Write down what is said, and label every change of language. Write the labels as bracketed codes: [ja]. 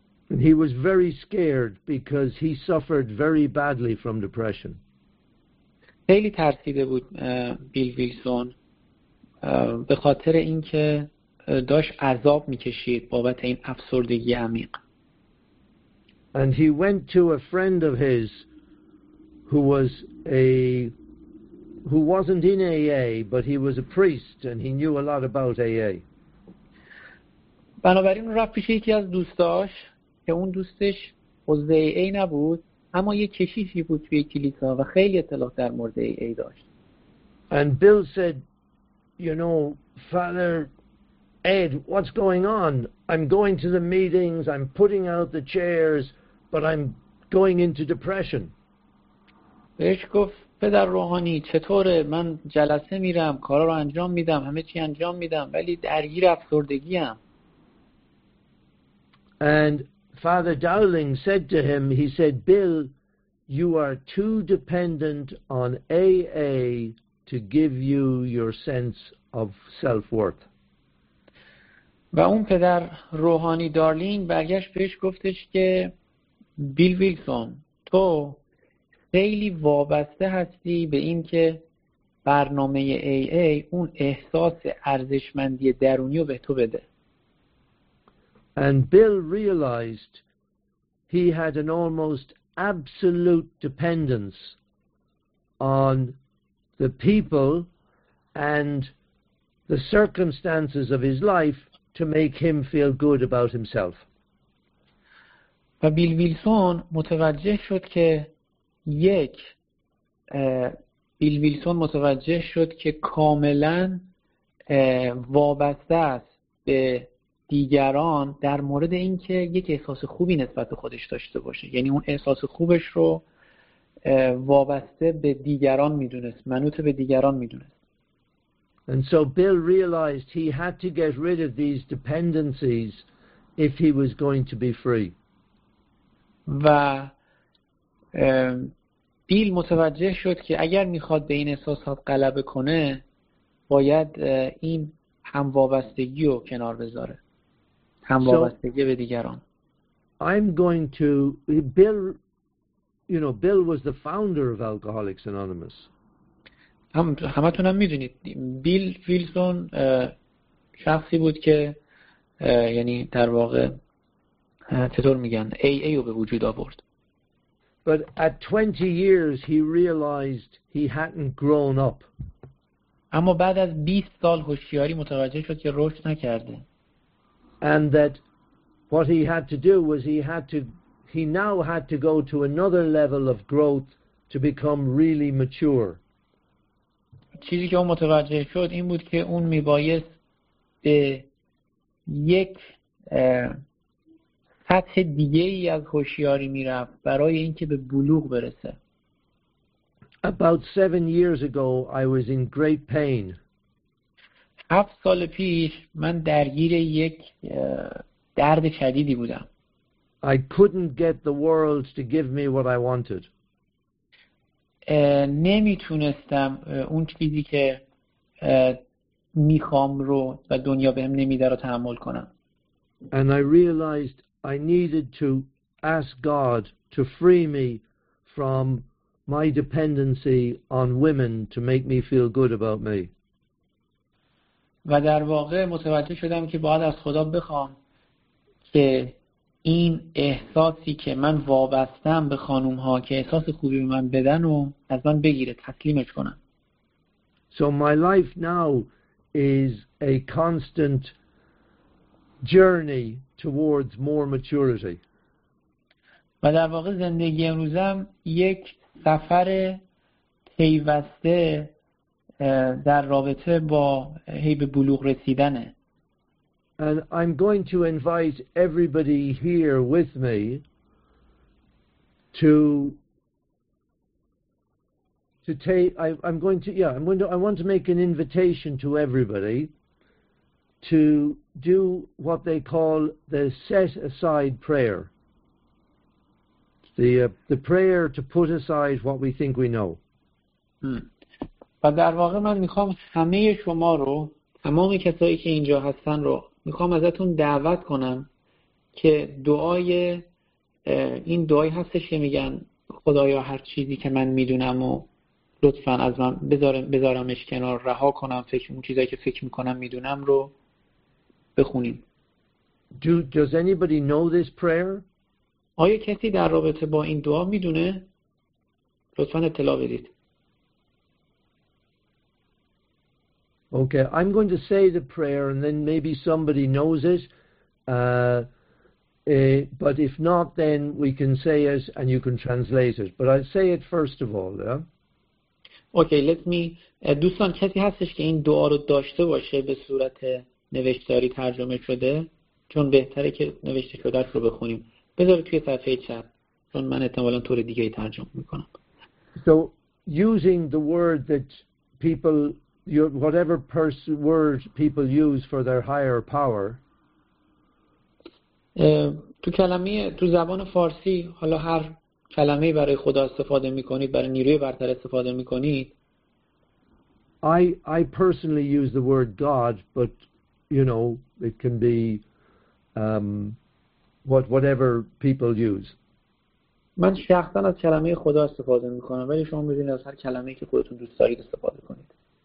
[en] He was very scared because he suffered very badly from depression. [fa] خیلی ترسیده بود بیل ویلسون به خاطر اینکه داشت عذاب می‌کشید بابت این افسردگی عمیق. [en] And he went to a friend of his who wasn't in AA, but he was a priest and he knew a lot about AA. [fa] بنابراین رفت پیش یکی از دوستاش که اون دوستش حوزه ای ای نبود اما یه کشیشی بود توی کلیسا و خیلی اطلاع در مورد ای ای داشت. [en] And Bill said, you know, Father Ed, what's going on? I'm going to the meetings, I'm putting out the chairs, but I'm going into depression. [fa] بهش گفت پدر روحانی چطوره؟ من جلسه میرم، کارا رو انجام میدم، همه چی انجام میدم ولی درگیر افسردگی ام. [en] And Father Dowling said to him, he said, Bill, you are too dependent on AA to give you your sense of self-worth. [fa] و اون پدر روحانی دارلینگ برگشت بهش گفتش که بیل ویلسون تو خیلی وابسته هستی به این که برنامه AA اون احساس ارزشمندی درونی رو به تو بده. [en] And Bill realized he had an almost absolute dependence on the people and the circumstances of his life to make him feel good about himself. [fa] و بیل ویلسون متوجه شد که کاملا وابسته است به دیگران در مورد اینکه یک احساس خوبی نسبت به خودش داشته باشه، یعنی اون احساس خوبش رو وابسته به دیگران میدونست، منوط به دیگران میدونست. [en] And so Bill realized he had to get rid of these dependencies if he was going to be free. [fa] و بیل متوجه شد که اگر میخواد به این احساسات غلبه کنه باید این هم وابستگی رو کنار بذاره. [en] So, I'm going to Bill. You know, Bill was the founder of Alcoholics Anonymous. [fa] همتون هم میدونید بیل ویلسون شخصی بود که یعنی در واقع چطور میگن AA رو به وجود آورد. [en] But at 20 years, he realized he hadn't grown up. [fa] اما بعد از 20 سال هوشیاری متوجه شد که رشد نکرده. [en] And that what he had to do was he now had to go to another level of growth to become really mature. [fa] چیزی که اون متوجه شد این بود که اون میبایست به یک سطح دیگه ای از هوشیاری میرفت برای اینکه به بلوغ برسه. [en] About 7 years ago, I was in great pain. [fa] 7 سال پیش من درگیر یک درد شدیدی بودم. [en] I couldn't get the world to give me what I wanted. [fa] نمیتونستم اون چیزی که میخوام رو و دنیا بهم نمیده رو تحمل کنم. [en] And I realized I needed to ask God to free me from my dependency on women to make me feel good about me. [fa] و در واقع متوجه شدم که باید از خدا بخوام که این احساسی که من وابستم به خانوم ها که احساس خوبی به من بدن و از من بگیره تسلیمش کنم. [en] So my life now is a constant journey towards more maturity. [fa] و در واقع زندگی امروزم یک سفر پیوسته در رابطه با هی به بلوغ رسیدنه. [en] And I'm going to invite everybody here with me to take I want to make an invitation to everybody to do what they call the set aside prayer. The prayer to put aside what we think we know. [fa] و در واقع من میخوام همه شما رو، تمام کسایی که اینجا هستن رو میخوام ازتون دعوت کنم که دعای این دعای هستش که میگن خدایا هر چیزی که من میدونم و لطفا از من بذارمش کنار، رها کنم فکر اون چیزایی که فکر میکنم میدونم رو بخونیم. [en] Does anybody know this prayer? [fa] آیا کسی در رابطه با این دعا میدونه؟ لطفاً اطلاع بدید. [en] Okay, I'm going to say the prayer and then maybe somebody knows it. But if not, then we can say it and you can translate it. But I'll say it first of all. Yeah? Okay, let me... [fa] دوستان کسی هستش که این دعا رو داشته باشه به صورت نوشتاری ترجمه شده؟ چون بهتره که نوشته شده رو بخونیم. بذارید توی صفحه چپ. چون من احتمالاً طور دیگه ای ترجمه میکنم. [en] So, using the word that people... whatever word people use for their higher power. [fa] تو کلمه تو زبان فارسی حالا هر کلمه برای خدا استفاده میکنید برای نیروی برتر استفاده میکنید. [en] I personally use the word God, but you know it can be whatever people use. [fa] من شخصا از کلمه خدا استفاده میکنم ولی شما میتونید از هر کلمه‌ای که خودتون دوست دارید استفاده کنید.